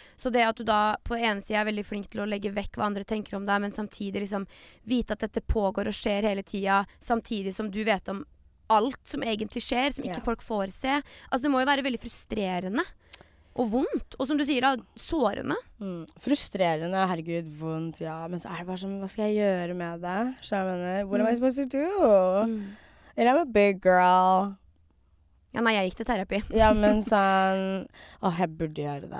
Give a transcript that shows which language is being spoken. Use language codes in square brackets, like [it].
[no] Så det at du da på en side er veldig flink til å legge vekk hva andre tenker om deg, men samtidig liksom vite at dette pågår og skjer hele tiden, samtidig som du vet om alt som egentlig skjer, som ikke folk får se. Altså det må jo være veldig frustrerende. Og vondt, og som du sier da, sårende. Frustrerende, herregud, vondt, ja. Men så er det bare sånn, hva skal jeg gjøre med det? Så jeg mener, [en] what am I supposed to do? And I'm a big girl. [no] Ja, nei, jeg gikk til terapi. Ja, men sånn, åh, jeg burde gjøre det.